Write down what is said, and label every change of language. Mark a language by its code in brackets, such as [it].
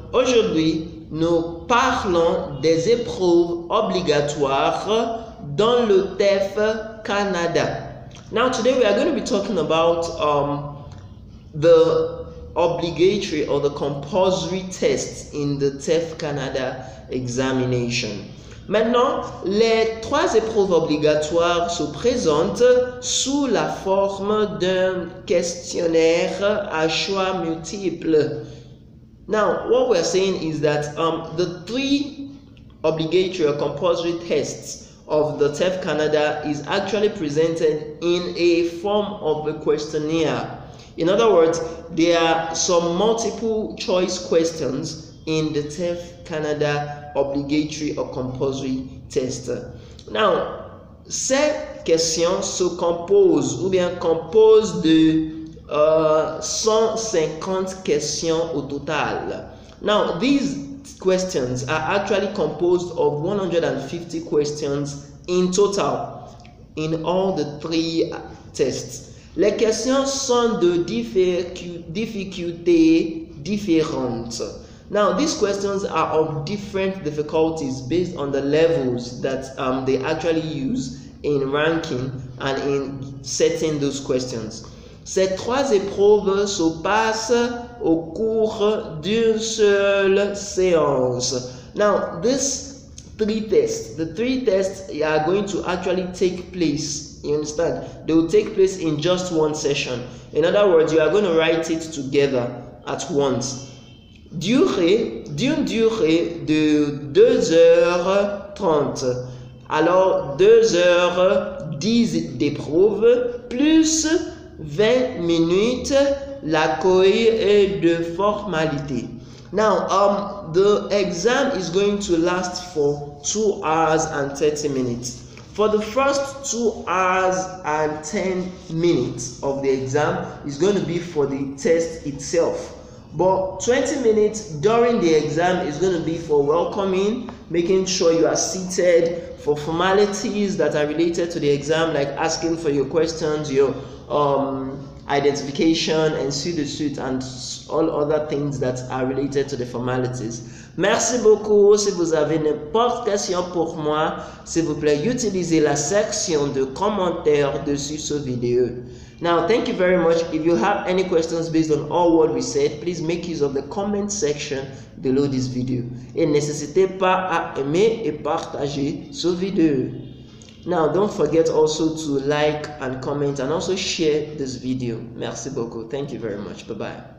[fr] Aujourd'hui, nous parlons des épreuves obligatoires dans le TEF Canada. [en] Now today we are going to be talking about the obligatory or the compulsory tests in the TEF Canada examination. [fr] Maintenant, les trois épreuves obligatoires se présentent sous la forme d'un questionnaire à choix multiple. [en] Now, what we are saying is that the three obligatory or compulsory tests of the TEF Canada is actually presented in a form of a questionnaire. In other words, there are some multiple choice questions in the TEF Canada obligatory or compulsory test. [fr] Now, ces questions se composent ou bien composent de 150 questions au total. [en] Now, these questions are actually composed of 150 questions in total in all the three tests. [fr] Les questions sont de difficultés différentes. [en] Now, these questions are of different difficulties based on the levels that they actually use in ranking and in setting those questions. [fr] Ces trois épreuves se passent au cours d'une seule séance. [en] Now, these three tests, the three tests are going to actually take place, you understand? They will take place in just one session. In other words, you are going to write it together at once. [fr] D'une durée de 2h30, alors 2h10 d'épreuve, plus 20 minutes, l'accueil est de formalité. [en] Now, the exam is going to last for 2 hours and 30 minutes. For the first 2 hours and 10 minutes of the exam, is going to be for the test itself. But 20 minutes during the exam is going to be for welcoming, making sure you are seated, for formalities that are related to the exam, like asking for your questions, your identification, and suit the suit, and all other things that are related to the formalities. [fr] Merci beaucoup. Si vous avez n'importe question pour moi, s'il vous plaît, utilisez la section de commentaires dessus ce vidéo. [en] Now, thank you very much. If you have any questions based on all what we said, please make use of the comment section below this video. [fr] Et n'hésitez pas à aimer et partager ce vidéo. [en] Now, don't forget also to like and comment and also share this video. [fr] Merci beaucoup. [en] Thank you very much. Bye-bye.